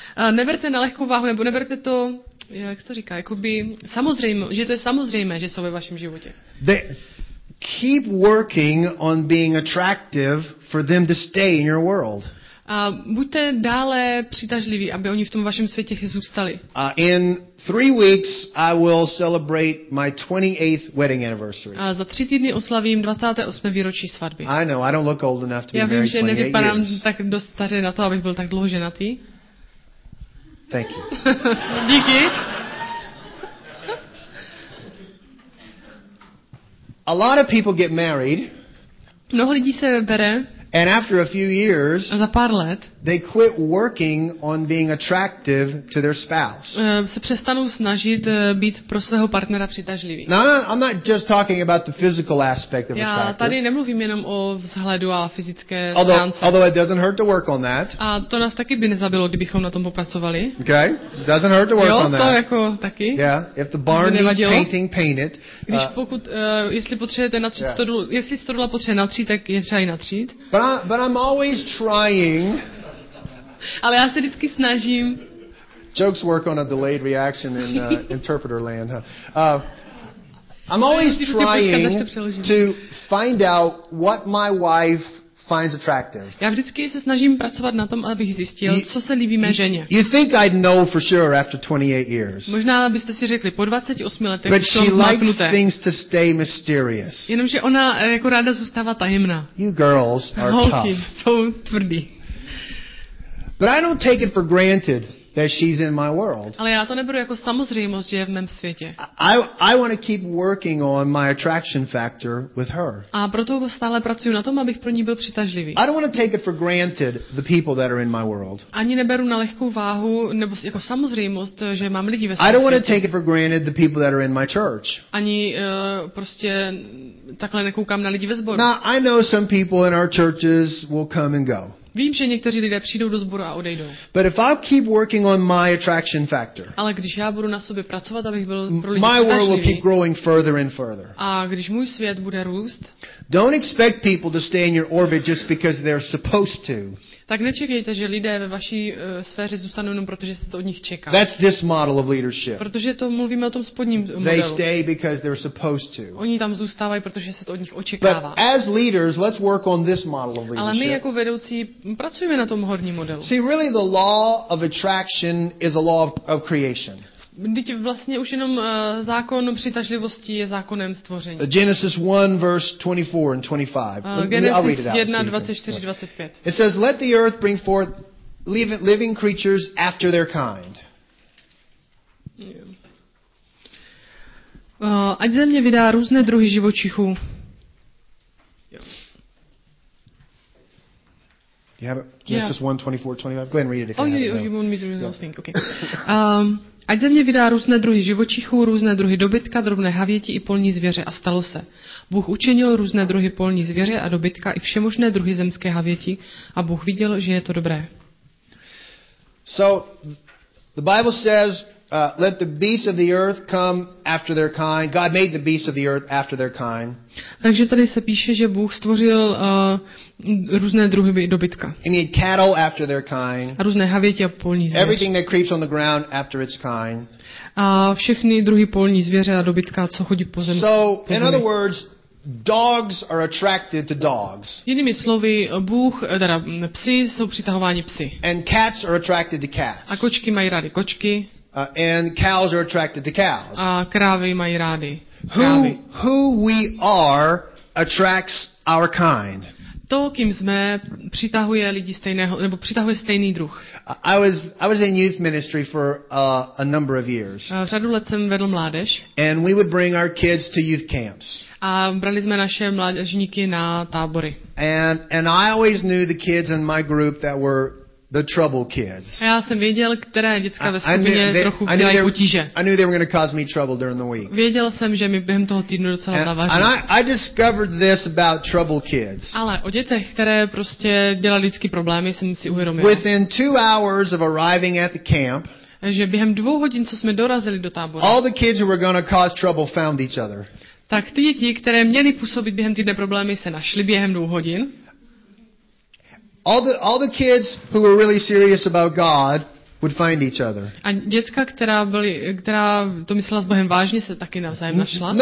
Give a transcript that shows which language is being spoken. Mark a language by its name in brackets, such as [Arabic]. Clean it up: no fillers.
[Czech] Neberte na lehkou váhu nebo neberte to, jak se to říká, jakoby samozřejmě, že to je samozřejmé, že jsou ve vašem životě. [English] They keep working on being attractive for them to stay in your world. [Czech] A buďte dále přitažliví, aby oni v tom vašem světě zůstali. [English] In 3 weeks I will celebrate my 28th wedding anniversary. [Czech] A za 3 týdny oslavím 28. výročí svatby. [English] I know, I don't look old enough to be married 28 years. [Czech] Já vím, že nevypadám tak dost staře na to, abych byl tak dlouho ženatý. [English] Thank you. [Czech] Díky. [English] A lot of people get married. [Czech] Mnoho lidí se bere. [English] And after a few years, [Czech] za pár let, [English] they quit working on being attractive to their spouse. [Czech] Se přestanou snažit být pro svého partnera přitažlivý. [English] No, I'm not just talking about the physical aspect of attraction. [Czech] Já tady nemluvím jenom o vzhledu a fyzické stránce. [English] Although it doesn't hurt to work on that. [Czech] A to nás taky by nezabilo, kdybychom na tom popracovali. [English] Okay, doesn't hurt to work on that. [Czech] Jo, to jako taky. [English] Yeah, if the barn needs painting, paint it. [Czech] Když pokud, jestli potřebujete natřít stodolu, jestli stodola potřebuje natřít, tak je třeba i natřít. [English] But I'm always trying. [Czech] Ale já se vždycky snažím. [English] Jokes work on a delayed reaction in interpreter land. Huh? I'm always trying to find out what my wife finds attractive. [Czech] Já vždycky se snažím pracovat na tom, abych zjistil, co se líbí mé ženě. [English] You think I'd know for sure after 28 years. [Czech] Možná byste si řekli po 28 letech. [English] But she likes things to stay mysterious. [Czech] Jenomže ona jako ráda zůstává tajemná. [English] You girls are [Czech] holky [English] tough. [Czech] Jsou tvrdý. [English] But I don't take it for granted that she's in my world. [Czech] Ale já to neberu jako samozřejmost, že je v mém světě. [English] I want to keep working on my attraction factor with her. [Czech] A proto stále pracuji na tom, abych pro ní byl přitažlivý. [English] I don't want to take it for granted the people that are in my world. [Czech] Ani neberu na lehkou váhu nebo jako samozřejmost, že mám lidi ve světě. [English] I don't want to take it for granted the people that are in my church. [Czech] Ani prostě takhle nekoukám na lidi ve sboru. [English] Now, I know some people in our churches will come and go. [Czech] Vím, že někteří lidé přijdou do sboru a odejdou. [English] But if I keep working on my attraction factor. [Czech] Ale když já budu na sobě pracovat, abych byl pro lidi [English] my world will keep growing further and further. [Czech] A když můj svět bude růst. [English] Don't expect people to stay in your orbit just because they're supposed to. [Czech] Tak nečekejte, že lidé ve vaší sféře zůstanou jenom protože se to od nich čeká. [English] That's this model of leadership. [Czech] Protože to mluvíme o tom spodním modelu. [English] They stay because they're supposed to. [Czech] Oni tam zůstávají, protože se to od nich očekává. [English] But as leaders, let's work on this model of leadership. [Czech] Ale my jako vedoucí pracujeme na tom horním modelu. [English] See, really the law of attraction is a law of creation. [Czech] Vždyť vlastně už jenom zákon přitažlivosti je zákonem stvoření. [English] Genesis 1, verse 24 and 25. [Czech] Genesis 1, 24-25. [English] It says, let the earth bring forth living creatures after their kind. [Czech] Ať země vydá různé druhy živočichů. [English] You have Genesis 1, 24-25? Go ahead and read it if you have it. Oh, you want me to read those things, okay. [Czech] Ať země vydá různé druhy živočichů, různé druhy dobytka, drobné havěti i polní zvěře. A stalo se. Bůh učinil různé druhy polní zvěře a dobytka i všemožné druhy zemské havěti a Bůh viděl, že je to dobré. [English] So, the Bible says, let the beasts of the earth come after their kind. God made the beasts of the earth after their kind. [Czech] Takže tady se píše, že Bůh stvořil různé druhy dobytka. [English] And he had cattle after their kind. [Czech] A různé havěti a polní zvěře. [English] Everything that creeps on the ground after its kind. [Czech] A všechny druhy polní zvěře a dobytka, co chodí po zemi. [English] So, in other words, Dogs are attracted to dogs. [Czech] Jinými slovy, Bůh, teda psi jsou přitahováni psi. [English] And cats are attracted to cats. [Czech] A kočky mají rády kočky. [English] And cows are attracted to cows. [Czech] A krávy mají rády krávy. [English] Who we are attracts our kind. [Czech] To, kým jsme, přitahuje lidi stejného, nebo přitahuje stejný druh. [English] I was in youth ministry for a number of years. [Czech] Řadu let jsem vedl mládež. [English] And we would bring our kids to youth camps. [Czech] A brali jsme naše mládežníky na tábory. [English] And I always knew the kids in my group that were the trouble kids. [Czech] A já jsem věděl, které děcka ve skupině trochu dělají potíže. [English] I knew they were going to cause me trouble during the week. [Czech] Věděl jsem, že mi během toho týdne docela zavaří. [English] And I discovered this about trouble kids. [Czech] Ale o dětech, které prostě dělají vždycky problémy, jsem si uvědomil. [English] Within 2 hours of arriving at the camp, [Czech] že během 2 hodin, co jsme dorazili do tábora, [English] all the kids who were going to cause trouble found each other. [Czech] Tak ty děti, které měly působit během týdne problémy, se našly během 2 hodin. [English] All the kids who were really serious about God would find each other. [Czech] A děcka, která to myslela s Bohem vážně, se taky navzájem našla.